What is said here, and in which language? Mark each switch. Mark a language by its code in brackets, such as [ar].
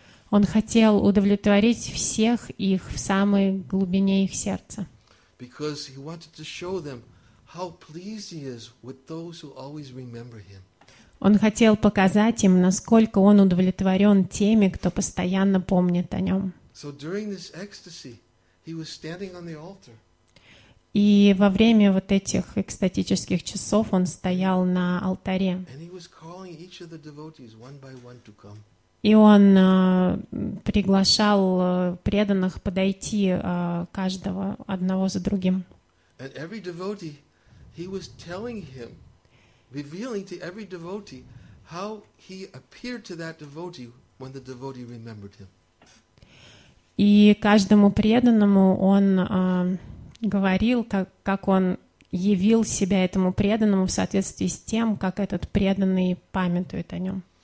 [ru] Он хотел удовлетворить всех их в самой глубине их сердца. [en] Because he wanted to show them how pleased he is with those who always remember him. [ru] Он хотел показать им, насколько он удовлетворен теми, кто постоянно помнит о нем. [en] So during this ecstasy, he was standing on the altar. [ru] И во время вот этих экстатических часов он стоял на алтаре. [en] And he was calling each of the devotees one by one to come. [ru] И он приглашал преданных подойти каждого одного за другим. [en] And every devotee, he was telling him, revealing to every devotee how he appeared to that devotee when the devotee remembered him. [ru] И каждому преданному он говорил, как он явил себя этому преданному в соответствии с тем, как этот преданный памятует о нем.